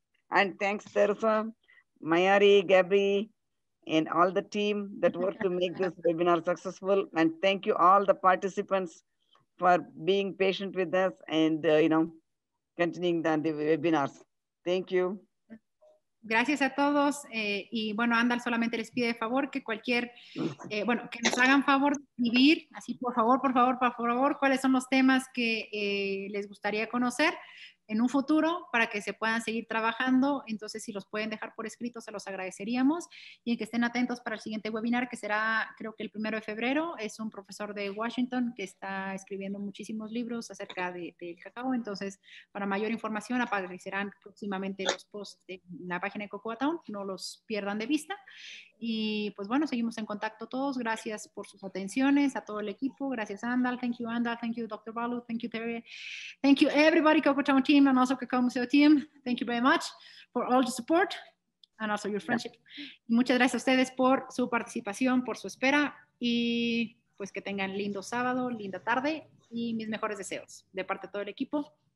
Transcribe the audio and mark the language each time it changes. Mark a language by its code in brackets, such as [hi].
[en] And thanks, Teresa, Mayari, Gabby, and all the team that worked to make this webinar successful. And thank you all the participants for being patient with us and you know, continuing the webinars. Thank you. [es] Gracias a todos. Y bueno, Andal solamente les pide de favor que cualquier, bueno, que nos hagan favor de escribir, así por favor, cuáles son los temas que les gustaría conocer en un futuro para que se puedan seguir trabajando. Entonces, si los pueden dejar por escrito, se los agradeceríamos. Y que estén atentos para el siguiente webinar, que será, creo que el 1 de febrero. Es un profesor de Washington que está escribiendo muchísimos libros acerca del cacao. Entonces, para mayor información, aparecerán próximamente los posts en la página de Cocoa Town. No los pierdan de vista. Y, pues, bueno, seguimos en contacto todos. Gracias por sus atenciones, a todo el equipo. Gracias, Andal. [en] Thank you, Andal. Thank you, Dr. Balu. Thank you, Terry. Thank you, everybody, Cocoa Town team, and also Cacao Museo team. Thank you very much for all the support and also your friendship. [es] Yeah. Y muchas gracias a ustedes por su participación, por su espera, y pues que tengan lindo sábado, linda tarde, y mis mejores deseos de parte de todo el equipo.